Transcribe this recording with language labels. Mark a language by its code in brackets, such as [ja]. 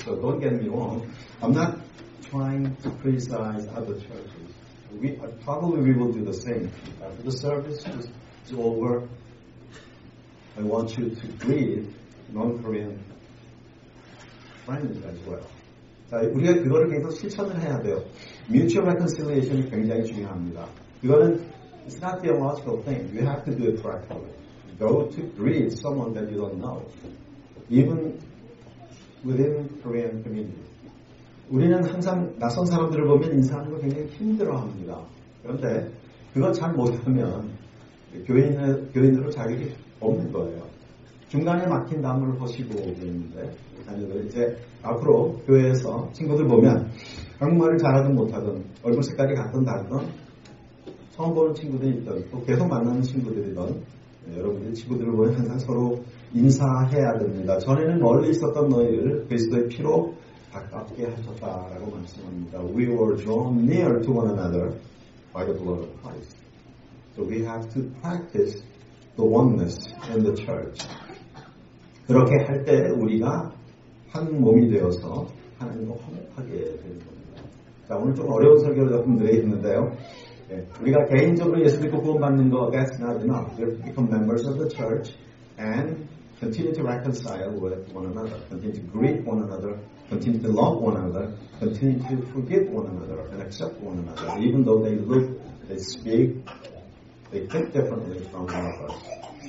[en] So don't get me wrong. I'm not trying to criticize other churches. We will do the same. After the service is over, I want you to greet non-Korean friends as well. [ko] 자, 우리가 그거를 계속 실천을 해야 돼요. [en] Mutual reconciliation이 [ko] 굉장히 중요합니다. 그거는 [en] it's not a theological thing. You have to do it practically. Go to greet someone that you don't know. Even within Korean community. [ko] 우리는 항상 낯선 사람들을 보면 인사하는 거 굉장히 힘들어합니다. 그런데 그거 잘 못하면 교인으로 자격이 없는 거예요. 중간에 막힌 나무를 보시고 있는데 아니면 이제 앞으로 교회에서 친구들 보면 한국말을 잘하든 못하든 얼굴 색깔이 같든 다르든 처음 보는 친구들이 있든 또 계속 만나는 친구들이든 여러분들 친구들을 보면 항상 서로 인사해야 됩니다. 전에는 멀리 있었던 너희를 그리스도의 피로 가깝게 하셨다라고 말씀합니다. [en] We were drawn near to one another by the blood of Christ. So we have to practice the oneness in the church. [ko] 그렇게 할 때 우리가 한 몸이 되어서 하나님과 화목하게 되는 겁니다. 자, 오늘 좀 어려운 설교를 조금 드리겠는데요. 예, 우리가 개인적으로 예수 믿고 구원 받는 거, [en] that's not enough. We become members of the church and continue to reconcile with one another, continue to greet one another, continue to love one another, continue to forgive one another and accept one another, even though they look, they speak, they think differently from one of us.